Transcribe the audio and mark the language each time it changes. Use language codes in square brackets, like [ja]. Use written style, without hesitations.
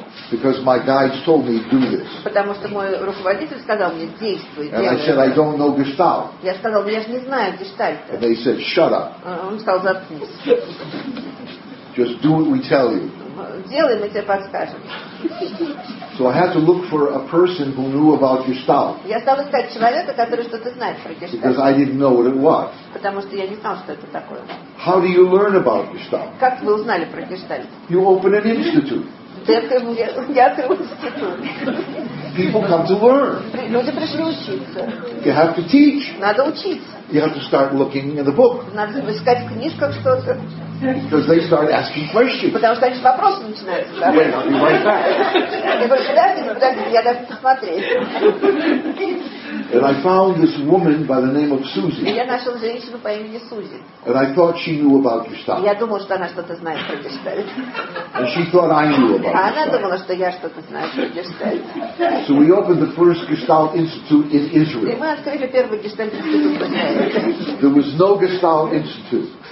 [en] Because my guides told me do this. [ru] Потому что мой руководитель сказал мне действуй. [en] And I said I don't know Gestalt. [ru] Я сказал, я же не знаю Гештальта. [en] And they said shut up. [ru] Он сказал заткнись. [en] Just do what we tell you. [ru] Делай, мы тебе подскажем. [en] So I had to look for a person who knew about Gestalt. [ru] Я стал искать человека, который что-то знает про Гештальт. [en] Because I didn't know what it was. [ru] Потому что я не знал, что это такое. [en] How do you learn about Gestalt? [ru] Как вы узнали про Гештальт? [en] You open an institute. [ru] Я открыл институт. [en] People come to learn. [ru] Люди пришли учиться. [en] You have to teach. [ru] Надо учиться. [en] You have to start looking in the book. [ru] Надо искать в книжках что-то. [en] Because they start asking questions. [ru] Потому что они вопросы начинают. [en] Wait, I'll be right back. [ru] Я говорю, подожди, я даже посмотреть. [en] And I found this woman by the name of Suzy. [ru] Я нашел женщину по имени Сузи. [en] And I thought she knew about Gestalt. [ru] Я думал, что она что-то знает про Gestalt. [en] And she thought I knew about Gestalt. [ru] А она думала, что я что-то знаю про Gestalt. [en] So we opened the first Gestalt Institute in Israel. [ru] И мы открыли первый Gestalt Institute в Израиле. [en] There was no Gestalt Institute.